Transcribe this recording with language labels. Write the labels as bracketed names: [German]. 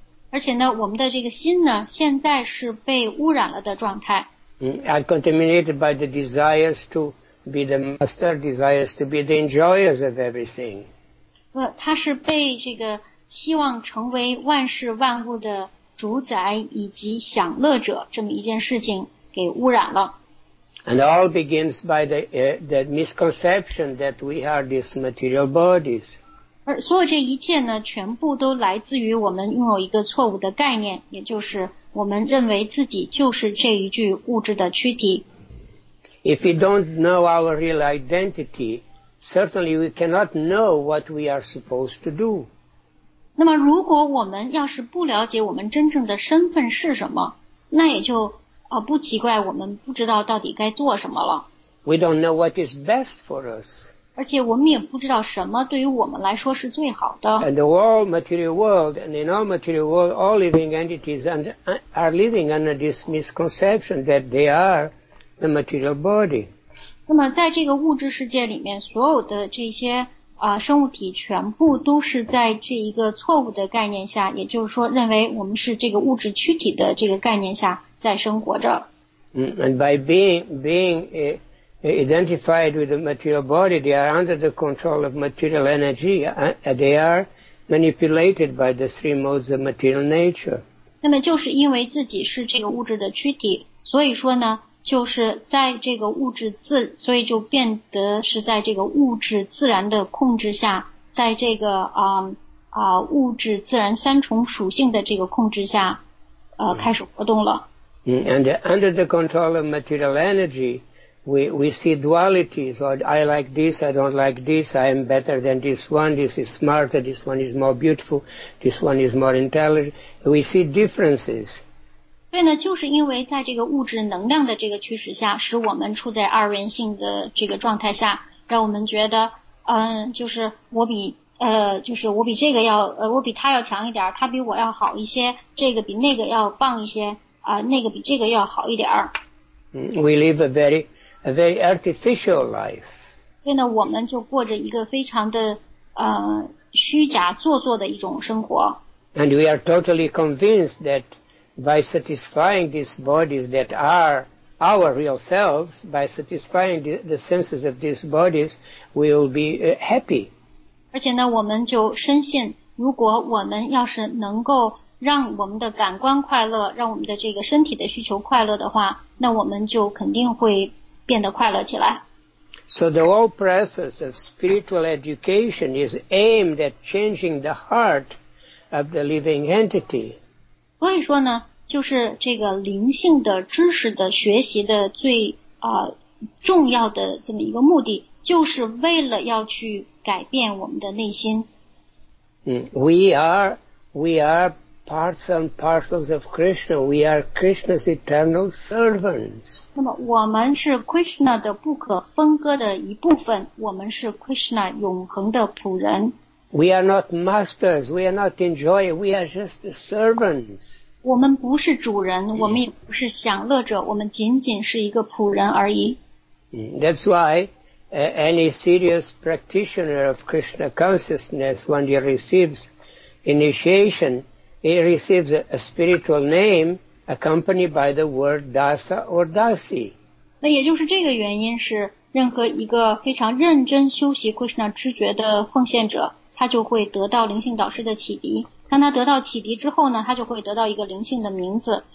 [Chinese] 而且呢，我们的这个心呢，现在是被污染了的状态。 [English] Are contaminated by the desires to be the master, desires to be the enjoyers of everything. [Chinese] 他是被这个希望成为万事万物的主宰以及享乐者这么一件事情给污染了。 [English] And all begins by the misconception that we are these material bodies. [Chinese] 而所有这一切呢，全部都来自于我们拥有一个错误的概念，也就是我们认为自己就是这一具物质的躯体。 [English] If we don't know our real identity, certainly we cannot know what we are supposed to do. [Chinese] 那么，如果我们要是不了解我们真正的身份是什么，那也就不奇怪我们不知道到底该做什么了。 [English] We don't know what is best for us. [Chinese] 而且我们也不知道什么对于我们来说是最好的。 [English] And the whole material world, and in all material world, all living entities are living under this misconception that they are the material body. [Chinese] 那么在这个物质世界里面，所有的这些生物体全部都是在这一个错误的概念下，也就是说认为我们是这个物质躯体的这个概念下在生活着。 [English] And by being identified with the material body, they are under the control of material energy, and they are manipulated by the three modes of material nature. [Chinese] 那么就是因为自己是这个物质的躯体，所以说呢，就是在这个物质自，所以就变得是在这个物质自然的控制下，在这个物质自然三重属性的这个控制下，开始活动了。 [English] And under the control of material energy, we see dualities. Or I like this, I don't like this. I am better than this one. This is smarter. This one is more beautiful. This one is more intelligent. We see differences. [Chinese] 所以呢，就是因为在这个物质能量的这个驱使下，使我们处在二元性的这个状态下，让我们觉得，就是我比。就是我比这个要我比他要强一点，他比我要好一些，这个比那个要棒一些，那个比这个要好一点。 [English] We live a very artificial life. [Chinese] 现在我们就过着一个非常的虚假做作的一种生活。 [English] And we are totally convinced that by satisfying these bodies that are our real selves, by satisfying the senses of these bodies, we will be happy. [Chinese] 而且呢，我们就深信，如果我们要是能够让我们的感官快乐，让我们的这个身体的需求快乐的话，那我们就肯定会变得快乐起来。 [English] So the whole process of spiritual education is aimed at changing the heart of the living entity. [Chinese] 所以说呢，就是这个灵性的知识的学习的最重要的这么一个目的，就是为了要去改变我们的内心。 [English] We are parts and parcels of Krishna. We are Krishna's eternal servants. [Chinese] 那么我们是 Krishna 的不可分割的一部分，我们是 Krishna 永恒的仆人。 [English] We are not masters, we are not enjoy, we are just servants. [Chinese] 我们不是主人，我们也不是享乐者，我们仅仅是一个仆人而已。 [English] That's why any serious practitioner of Krishna consciousness, when he receives initiation, he receives a spiritual name accompanied by the word Dasa or Dasi. [Chinese] 那也就是这个原因是任何一个非常认真修习 Krishna 知觉的奉献者，他就会得到灵性导师的启迪。当他得到启迪之后呢，他就会得到一个灵性的名字。